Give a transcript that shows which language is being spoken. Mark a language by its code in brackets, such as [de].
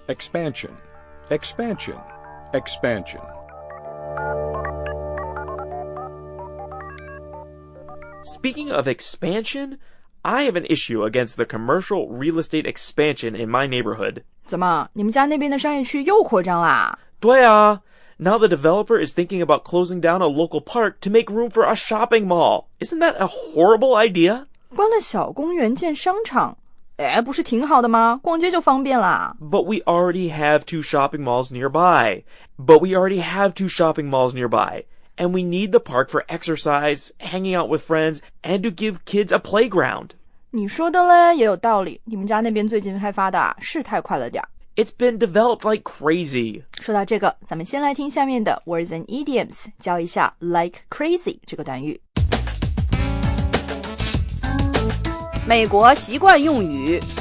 [en] expansion, expansion, expansion. Speaking of expansion, I have an issue against the commercial real estate expansion in my neighborhood. [zh] 怎么，你们家那边的商业区又扩张啦？对啊。 [en] Now the developer is thinking about closing down a local park to make room for a shopping mall. Isn't that a horrible idea? [zh] 关了小公园建商场，哎，不是挺好的吗？逛街就方便了。 [en] But we already have two shopping malls nearby. But we already have two shopping malls nearby. And we need the park for exercise, hanging out with friends, and to give kids a playground. [zh] 你说的嘞也有道理，你们家那边最近开发的是太快了点。 [en] It's been developed like crazy. [zh] 说到这个，咱们先来听下面的 words and idioms， 教一下 like crazy 这个短语。美国习惯用语